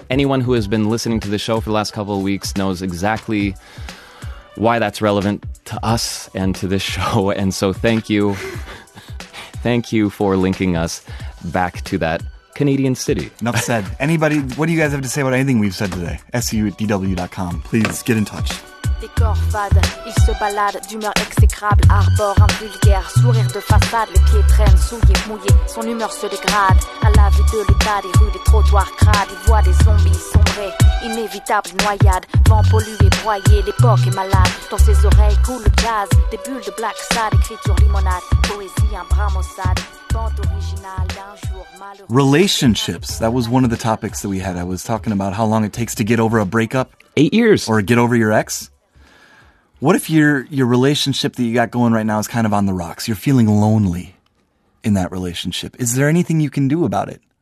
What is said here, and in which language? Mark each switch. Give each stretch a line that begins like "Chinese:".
English: Anyone who has been listening to the show for the last couple of weeks knows exactly why that's relevant to us and to this show. And so thank you. Thank you for linking us back to that Canadian city. Enough said. Anybody, what do you guys have to say about anything we've said today? SU@DW.com. Please get in touch.
French: Décor fade, il se balade d'humeur exécrable, arbore un vulgaire sourire de façade, les pieds traînent souillés, mouillés, son humeur se dégrade à la vue de l'état des rues, des trottoirs crades, il voit des zombies sombrés inévitable noyade, vent pollué broyé, l'époque est malade dans ses oreilles coule le gaz, des bulles de black sad, écriture limonade, poésie un bras maussade, bande originale d'un jour malheureux.
English: Relationships, that was one of the topics that we had. I was talking about how long it takes to get over a breakup. 8 years. Or get over your ex. What if your relationship that you got going right now is kind of on the rocks? You're feeling lonely in that relationship. Is there anything you can do about it?